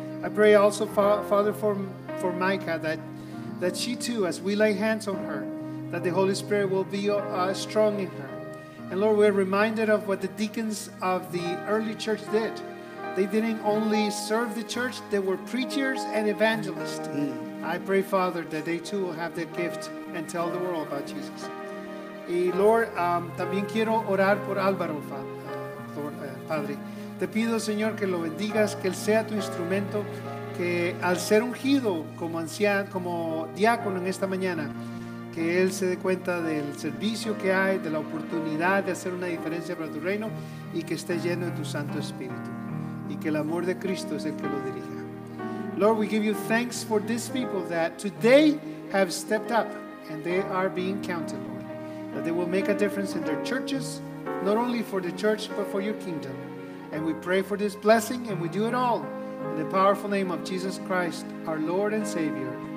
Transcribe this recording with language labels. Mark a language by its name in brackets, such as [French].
[English] I pray also, Father, for Micah, that she too, as we lay hands on her, that the Holy Spirit will be strong in her. And Lord, we're reminded of what the deacons of the early church did. They didn't only serve the church, they were preachers and evangelists. I pray, Father, that they too will have the gift and tell the world about Jesus. [Spanish] Y Lord, también quiero orar por Álvaro, Padre. Te pido, Señor, que lo bendigas, que él sea tu instrumento, que al ser ungido como anciano, como diácono en esta mañana, que él se dé cuenta del servicio que hay, de la oportunidad de hacer una diferencia para tu reino y que esté lleno de tu Santo Espíritu y que el amor de Cristo es el que lo dirija. [English] Lord, we give you thanks for these people that today have stepped up and they are being counted, Lord, that they will make a difference in their churches, not only for the church, but for your kingdom. And we pray for this blessing and we do it all in the powerful name of Jesus Christ, our Lord and Savior.